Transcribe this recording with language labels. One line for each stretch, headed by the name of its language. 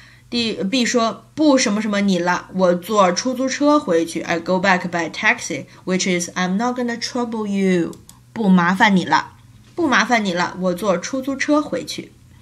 Chinese: B 说不什么什么你了，我坐出租车回去。
English: I go back by taxi, which is I'm not gonna trouble you.
Chinese: 不麻烦你了，不麻烦你了，我坐出租车回去。